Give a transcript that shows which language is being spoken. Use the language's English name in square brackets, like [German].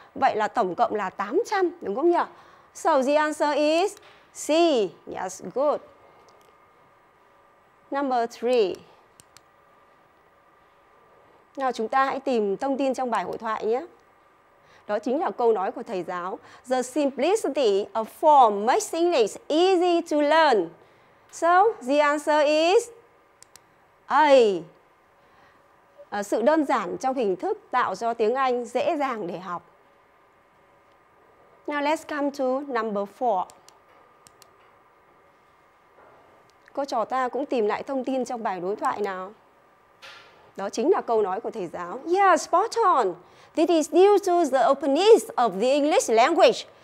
[Vietnamese] Vậy là tổng cộng là 800, đúng không nhỉ? [English] So the answer is C. Yes, good. Number 3. [Vietnamese] Nào chúng ta hãy tìm thông tin trong bài hội thoại nhé. Đó chính là câu nói của thầy giáo. [English] The simplicity of form makes English easy to learn. So, the answer is A. [Vietnamese] Sự đơn giản trong hình thức tạo cho tiếng Anh dễ dàng để học. [English] Now let's come to number 4. [Vietnamese] Cô trò ta cũng tìm lại thông tin trong bài đối thoại nào. Đó chính là câu nói của thầy giáo. [English] Yeah, spot on. This is due to the openness of the English language.